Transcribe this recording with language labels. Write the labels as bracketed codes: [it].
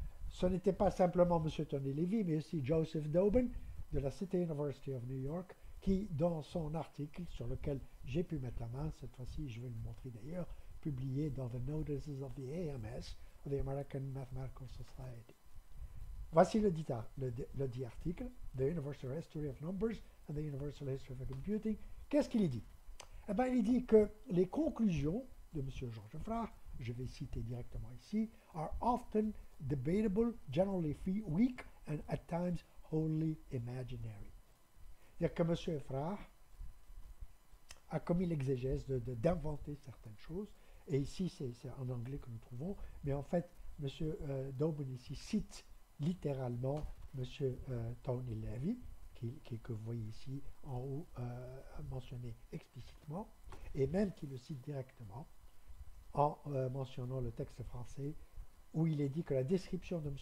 [fr] Ce n'était pas simplement M. Tony Levy, mais aussi Joseph Dobin de la City University of New York, qui, dans son article sur lequel j'ai pu mettre la main, cette fois-ci je vais le montrer d'ailleurs, publié dans The Notices of the AMS, of the American Mathematical Society. Voici le dit article, The Universal History of Numbers and the Universal History of Computing. Qu'est-ce qu'il dit? Eh bien, il dit que les conclusions de M. Georges Frère je vais citer directement ici, [en] are often debatable, generally weak, and at times wholly imaginary. [fr] C'est-à-dire que M. Effrard a commis l'exégèse d'inventer certaines choses, et ici c'est en anglais que nous trouvons, mais en fait M. Daubon ici cite littéralement M. Tony Levy, que vous voyez ici en haut mentionné explicitement, et même qui le cite directement en mentionnant le texte français où il est dit que la description de M.